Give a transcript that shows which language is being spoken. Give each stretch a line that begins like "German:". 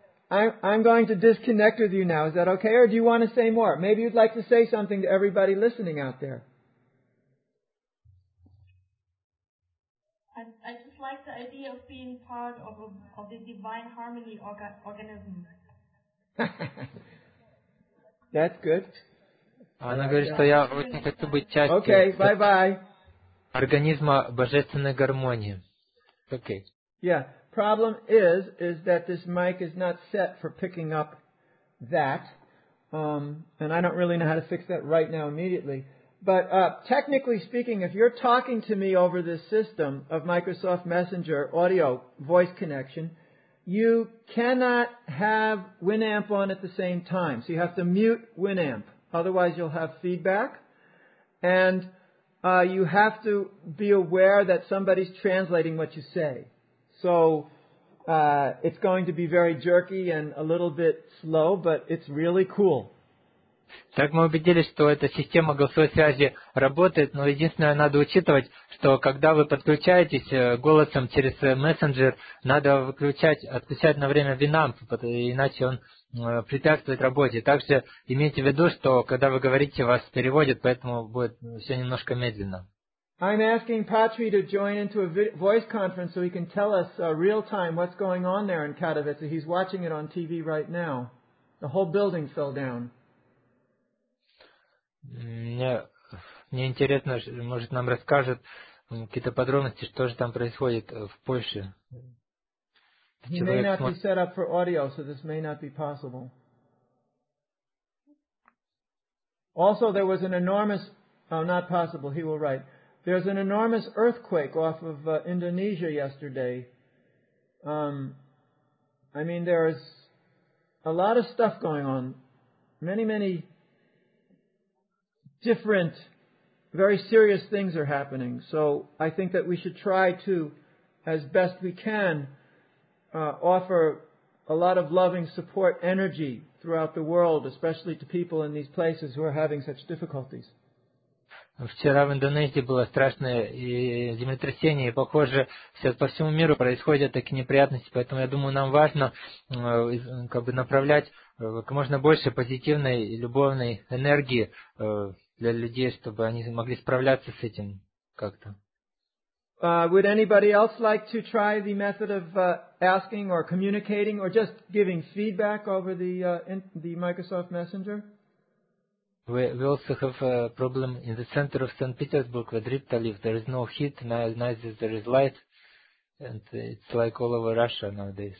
English: I'm going to disconnect with you now. Is that okay, or do you want to say more? Maybe you'd like to say something to everybody listening out there. I just like the idea of being part of the divine harmony organism. That's good.
Russian: Она говорит, что я очень хочу быть частью организма божественной гармонии.
English: Okay. Yeah, problem is that this mic is not set for picking up that, and I don't really know how to fix that right now immediately. But technically speaking, if you're talking to me over this system of Microsoft Messenger audio voice connection, you cannot have Winamp on at the same time, so you have to mute Winamp. Otherwise, you'll have feedback, and you have to be aware that somebody's translating what you say. So it's going to be very jerky and a little bit slow, but it's really cool.
Russian: Так мы убедились, что эта система голосовой связи работает, но единственное, надо учитывать, что когда вы подключаетесь голосом через мессенджер, надо отключать на время Winamp, иначе он препятствует работе. Также имейте в виду, что когда вы говорите, вас переводят, поэтому будет все немножко медленно.
English: I'm asking Patry to join into a voice conference so he can tell us real time what's going on there in Katowice. He's watching it on TV right now. The whole building fell down.
Russian: Мне интересно, может, нам расскажет какие-то подробности, что же там происходит в Польше.
English: He may not be set up for audio, so this may not be possible. Also, there was an enormous... Oh, not possible. He will write. There's an enormous earthquake off of Indonesia yesterday. I mean, there is a lot of stuff going on. Many, many different, very serious things are happening. So I think that we should try to, as best we can, offer a lot of loving support energy throughout the world, especially to people in these places who are having such difficulties.
Russian: Вчера в Индонезии было страшное землетрясение, и похоже, по всему миру происходят такие неприятности, поэтому я думаю, нам важно как бы направлять как можно больше позитивной и любовной энергии для людей, чтобы они могли справляться с этим как-то.
English: Would anybody else like to try the method of asking or communicating or just giving feedback over the Microsoft Messenger? We also have a problem in the center of St. Petersburg with Riptal. If there is no heat, neither there is light, and it's like all over Russia nowadays.